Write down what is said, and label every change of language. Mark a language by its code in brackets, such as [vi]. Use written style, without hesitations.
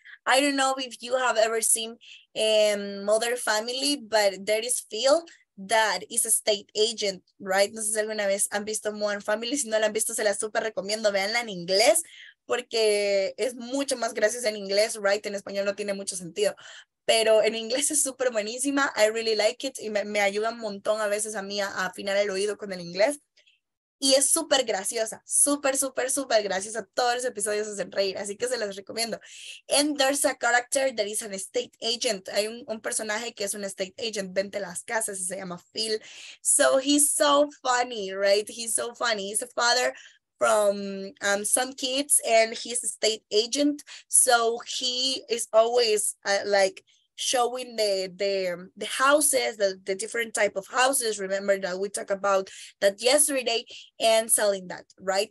[en] I don't know if you have ever seen Mother Family, but there is Phil that is a state agent, right? [es] No sé si alguna vez han visto Mother Family. Si no la han visto, se la super recomiendo. Véanla en inglés porque es mucho más gracioso en inglés, right? En español no tiene mucho sentido. Pero en inglés es súper buenísima. [en] I really like it. [es] Y me ayuda un montón a veces a mí a afinar el oído con el inglés. Y es súper graciosa. Súper, súper, súper graciosa. Todos los episodios hacen reír. Así que se las recomiendo. [en] And there's a character that is an estate agent. [es] Hay un personaje que es un estate agent. Vente las casas. Se llama Phil. [en] So he's so funny, right? He's so funny. He's a father from some kids and he's a state agent, so he is always like showing the houses, the different type of houses, remember that we talked about that yesterday, and selling that, right?